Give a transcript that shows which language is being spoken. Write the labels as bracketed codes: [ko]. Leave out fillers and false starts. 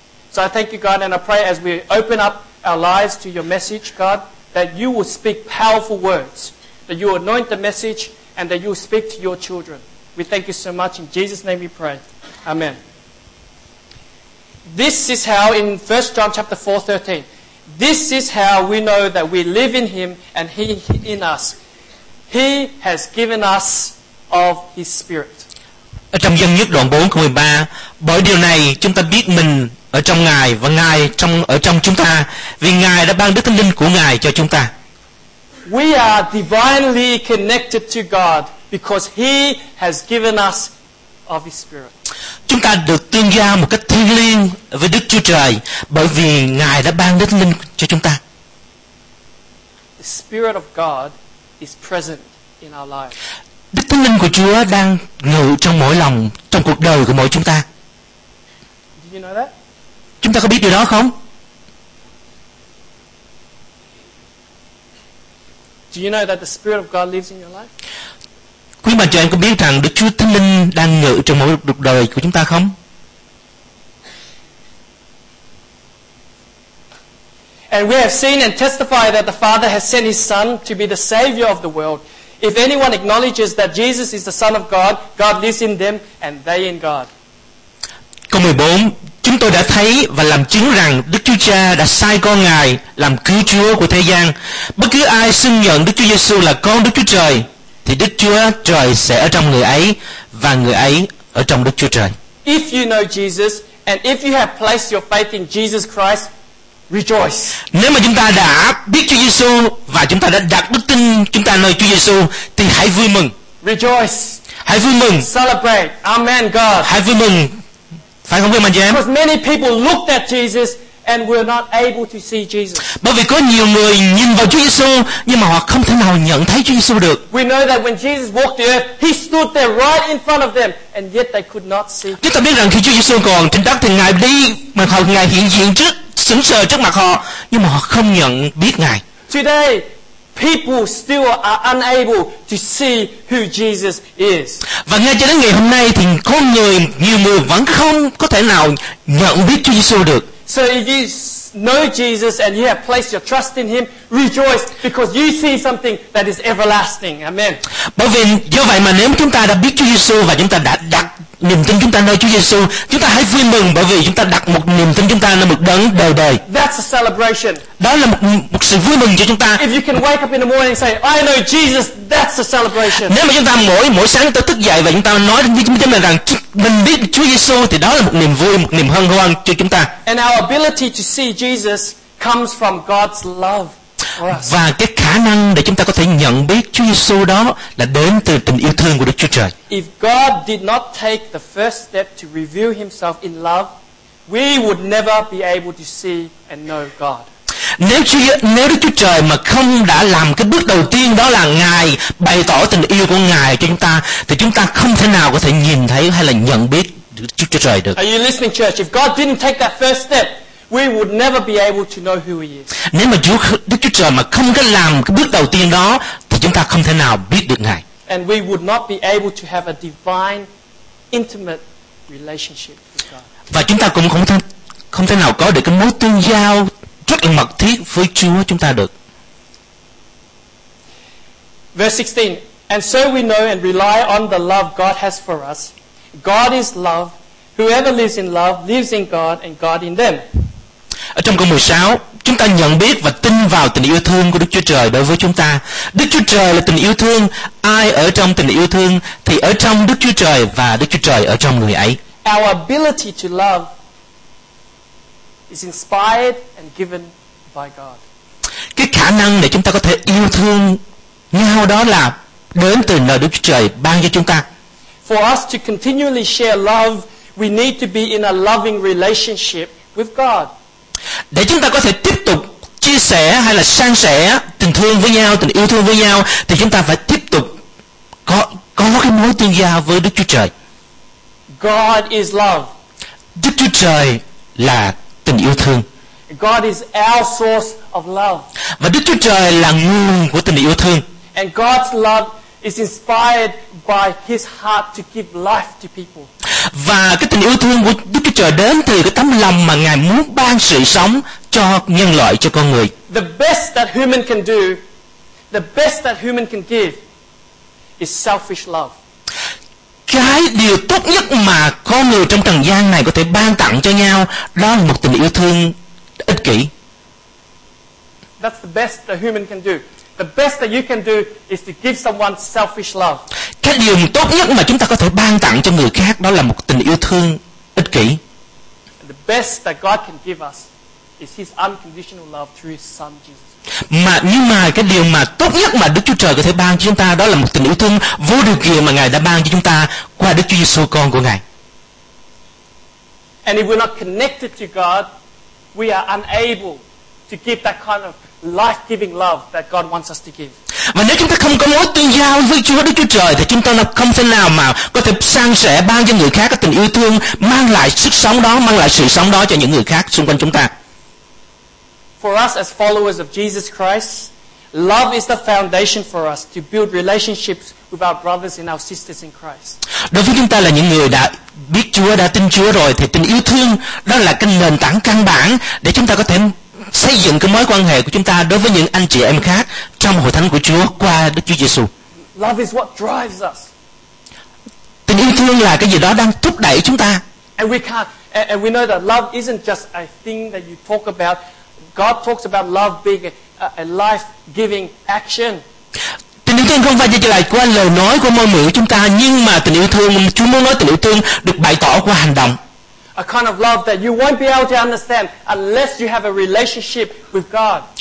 [en] So I thank you, God, and I pray as we open up our lives to your message, God, that you will speak powerful words, that you will anoint the message, and that you will speak to your children. We thank you so much. In Jesus' name we pray. Amen. This is how in 1 John chapter 4:13. This is how we know that we live in Him and He in us. He has given us of His Spirit. [vi] Ở trong Dân Nhất đoạn 4 câu 13, bởi điều này chúng ta biết mình ở trong Ngài và Ngài trong ở trong chúng ta, vì Ngài đã ban Đức Thánh Linh của Ngài cho chúng ta. [en] We are divinely connected to God because He has given us of His Spirit. [vi] Chúng ta được tương giao một cách thiêng liêng với Đức Chúa Trời bởi vì Ngài đã ban Đức Thánh Linh cho chúng ta. [en] The Spirit of God is present in our lives. [vi] Đức Thánh Linh của Chúa đang ngự trong mỗi lòng, trong cuộc đời của mỗi chúng ta. [en] Did you know that? [vi] Chúng ta có biết điều đó không? [en] Do you know that the Spirit of God lives in your life? [vi] Quý bà chị em có biết rằng Đức Chúa Thánh Linh đang ngự trong mỗi cuộc đời của chúng ta không? [en] And we have seen and testified that the Father has sent His Son to be the Savior of the world. If anyone acknowledges that Jesus is the Son of God, God lives in them and they in God. [vi] Câu 14, chúng tôi đã thấy và làm chứng rằng Đức Chúa Cha đã sai con Ngài làm cứu Chúa của thế gian. Bất cứ ai xưng nhận Đức Chúa Giêsu là con Đức Chúa Trời, thì Đức Chúa Trời sẽ ở trong người ấy và người ấy ở trong Đức Chúa Trời. [en] If you know Jesus and if you have placed your faith in Jesus Christ, rejoice. [vi] Nếu mà chúng ta đã biết Chúa Giêsu và chúng ta đã đặt đức tin chúng ta nơi Chúa Giêsu thì hãy vui mừng. [en] Rejoice. [vi] Hãy vui mừng. [en] Celebrate. Amen God. [vi] Hãy vui mừng. Phải không quý anh chị em? [en] Because many people looked at Jesus and were not able to see Jesus. [vi] Bởi vì có nhiều người nhìn vào Chúa Giêsu nhưng mà họ không thể nào nhận thấy Chúa Giêsu được. [en] We know that when Jesus walked the earth, He stood there right in front of them, and yet they could not see. [vi] Chúng ta biết rằng khi Chúa Giêsu còn trên đất thì Ngài đi mà họ Ngài hiện diện trước, sững sờ trước mặt họ, nhưng mà họ không nhận biết Ngài. [en] Today, people still are unable to see who Jesus is. [vi] Và ngay cho đến ngày hôm nay thì con người, nhiều người vẫn không có thể nào nhận biết Chúa Giêsu được. [en] So if you know Jesus and you have placed your trust in Him, rejoice because you see something that is everlasting. Amen. [vi] Bởi vì do vậy mà nếu chúng ta đã biết Chúa Giêsu và chúng ta đã đặt niềm tin chúng ta nơi Chúa Giêsu, chúng ta hãy vui mừng bởi vì chúng ta đặt một niềm tin chúng ta nơi một đấng đời đời. [en] That's a celebration. [vi] Đó là một sự vui mừng cho chúng ta. [en] If you can wake up in the morning and say, I know Jesus, that's a celebration. [vi] Nếu mà chúng ta mỗi sáng tới thức dậy và chúng ta nói với chúng ta rằng mình biết Chúa Giêsu thì đó là một niềm vui, một niềm hân hoan cho chúng ta. [en] And our ability to see Jesus comes from God's love for us. [vi] Và cái khả năng để chúng ta có thể nhận biết Chúa Giêsu đó là đến từ tình yêu thương của Đức Chúa Trời. [en] If God did not take the first step to reveal Himself in love, we would never be able to see and know God. [vi] Nếu Đức Chúa Trời mà không đã làm cái bước đầu tiên đó là Ngài bày tỏ tình yêu của Ngài cho chúng ta, thì chúng ta không thể nào có thể nhìn thấy hay là nhận biết Đức Chúa Trời được. [en] Are you listening, church? If God didn't take that first step, we would never be able to know who He is. [vi] Nếu mà Đức Chúa Trời mà không có làm cái bước đầu tiên đó, thì chúng ta không thể nào biết được Ngài. [en] And we would not be able to have a divine, intimate relationship with God. [vi] Và chúng ta cũng không thể nào có được cái mối tương giao rất là mật thiết với Chúa chúng ta được. [en] Verse 16. And so we know and rely on the love God has for us. God is love. Whoever lives in love lives in God and God in them. [vi] Ở trong câu 16, chúng ta nhận biết và tin vào tình yêu thương của Đức Chúa Trời đối với chúng ta. Đức Chúa Trời là tình yêu thương. Ai ở trong tình yêu thương thì ở trong Đức Chúa Trời và Đức Chúa Trời ở trong người ấy. [en] Our ability to love is inspired and given by God. [vi] Cái khả năng để chúng ta có thể yêu thương nhau đó là đến từ nơi Đức Chúa Trời ban cho chúng ta. [en] For us to continually share love, we need to be in a loving relationship with God. [vi] Để chúng ta có thể tiếp tục chia sẻ hay là san sẻ tình thương với nhau, tình yêu thương với nhau, thì chúng ta phải tiếp tục có cái mối tương giao với Đức Chúa Trời. [en] God is love. [vi] Đức Chúa Trời là tình yêu thương. [en] God is our source of love. [vi] Và Đức Chúa Trời là nguồn của tình yêu thương. [en] And God's love is inspired by His heart to give life to people. [vi] Và cái tình yêu thương của Đức Chúa Trời đến từ cái tấm lòng mà Ngài muốn ban sự sống cho nhân loại, cho con người. [en] The best that human can do, the best that human can give is selfish love. [vi] Cái điều tốt nhất mà con người trong trần gian này có thể ban tặng cho nhau đó là một tình yêu thương ích kỷ. [en] That's the best a human can do. The best that you can do is to give someone selfish love. [vi] Cái điều tốt nhất mà chúng ta có thể ban tặng cho người khác đó là một tình yêu thương ích kỷ. [en] And the best that God can give us is His unconditional love through His Son Jesus. [vi] Mà nhưng mà cái điều mà tốt nhất mà Đức Chúa Trời có thể ban cho chúng ta đó là một tình yêu thương vô điều kiện mà Ngài đã ban cho chúng ta qua Đức Chúa Giêsu Con của Ngài. [en] And if we're not connected to God, we are unable to give that kind of life-giving love that God wants us to give. [vi] Và nếu chúng ta không có mối tương giao với Chúa Đức Chúa Trời thì chúng ta không thể nào mà có thể san sẻ ban cho người khác cái tình yêu thương mang lại sức sống đó, mang lại sự sống đó cho những người khác xung quanh chúng ta. [en] For us as followers of Jesus Christ, love is the foundation for us to build relationships with our brothers and our sisters in Christ. [vi] Đối với chúng ta là những người đã biết Chúa, đã tin Chúa rồi thì tình yêu thương đó là cái nền tảng căn bản để chúng ta có thể xây dựng cái mối quan hệ của chúng ta đối với những anh chị em khác trong hội thánh của Chúa qua Đức Chúa Giêsu. [en] Love is what drives us. [vi] Tình yêu thương là cái gì đó đang thúc đẩy chúng ta. [en] And we know that love isn't just a thing that you talk about. God talks about love being a life-giving action. [vi] Tình yêu thương không phải chỉ là qua lời nói của môi miệng chúng ta, nhưng mà tình yêu thương, Chúa muốn nói tình yêu thương được bày tỏ qua hành động. [en] A kind of love that you won't be able to understand unless you have a relationship with God.